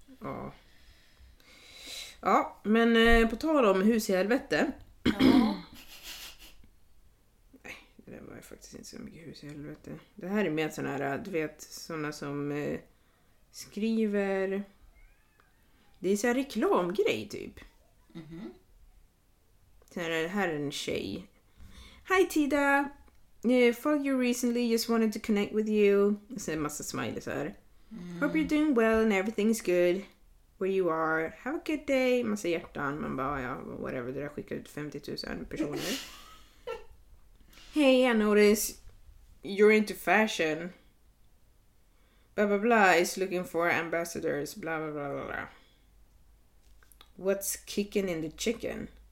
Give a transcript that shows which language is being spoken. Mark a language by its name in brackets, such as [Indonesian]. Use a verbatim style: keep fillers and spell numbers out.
[Swedish] Ja. Ja, men eh, på tal om hus i helvete. Ja. Nej, det var ju faktiskt inte så mycket hus i helvete. Det här är mer sådana här, du vet, sådana som eh, skriver, det är så här reklamgrej typ. Mm-hmm. Här, här är en tjej. [English] Hi Tida, yeah, followed you recently, just wanted to connect with you. [Swedish] Och sen en massa smileys här. Mm. [English] Hope you're doing well and everything's good where you are, have a good day. [Swedish] Massa hjärtan, man bara ja, [English] whatever. [Swedish] Det där skickar ut femtio tusen personer. [English] Hey, I notice you're into fashion, blah blah blah, is looking for ambassadors, blah blah blah blah blah. What's kicking in the chicken?